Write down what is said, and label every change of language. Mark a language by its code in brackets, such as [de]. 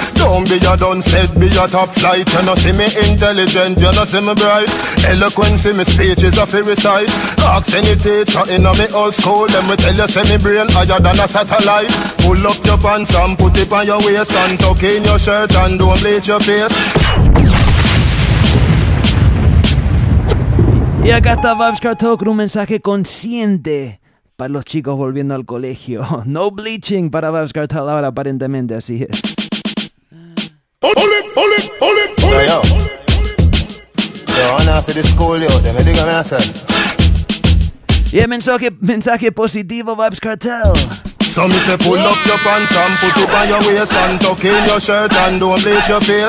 [en] Don't be a dunset, be a top flight. You no see me intelligent, you no see me bright. Eloquence in me speech is a fairy sight. Ask any teacher in a me old school. Let me tell you, see me brain higher than a satellite. Pull up your pants and put it on your waist. And tuck in your shirt and don't bleach your face. [es] Y acá está Vibes Cartel con un mensaje consciente para los chicos volviendo al colegio. No bleaching para Vibes Cartel ahora, aparentemente, así es. [en] Yo, I'm not for the school, yo. Let me dig a message. [es] Yeah, mensaje positivo, Vibes Cartel. [en] So me say pull up your pants and put up on your waist and tuck in your shirt and don't bleach your face.